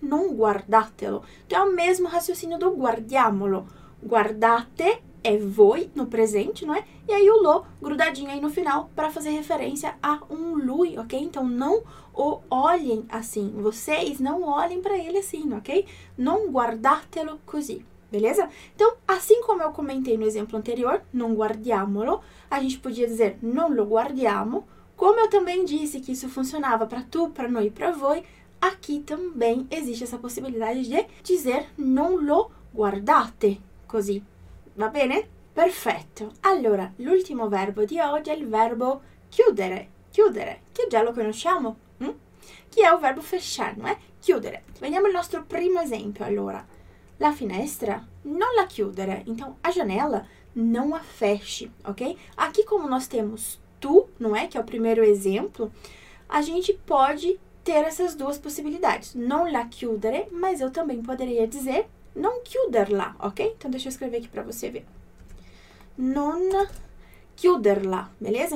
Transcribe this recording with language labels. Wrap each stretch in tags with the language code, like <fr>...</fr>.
<pt>Non guardatelo. Então, é o mesmo raciocínio do guardiamolo. Guardate é voi no presente, não é? E aí o lo grudadinho aí no final para fazer referência a um lui, ok? Então não o olhem assim. Vocês não olhem para ele assim, ok?</pt> <it>Non guardatelo così, beleza?</it> <pt>Então, assim como eu comentei no exemplo anterior, non guardiamolo, a gente podia dizer non lo guardiamo. Como eu também disse que isso funcionava para tu, para noi e para voi, aqui também existe essa possibilidade de dizer non lo guardate così.</pt> <it>Va bene? Perfetto. Allora, l'ultimo verbo di oggi è il verbo chiudere. Chiudere, che già lo conosciamo. Che è un verbo fechar, non è? Chiudere. Vediamo il nostro primo esempio, allora. La finestra non la chiudere.</it> <pt>Então, a janela non la feche, ok? Aqui como nós temos tu, não é? Que é o primeiro exemplo. A gente pode ter essas duas possibilidades. Non la chiudere, mas eu também poderia dizer non chiuderla, ok? Então, deixa eu escrever aqui para você ver. Non chiuderla, beleza?</pt>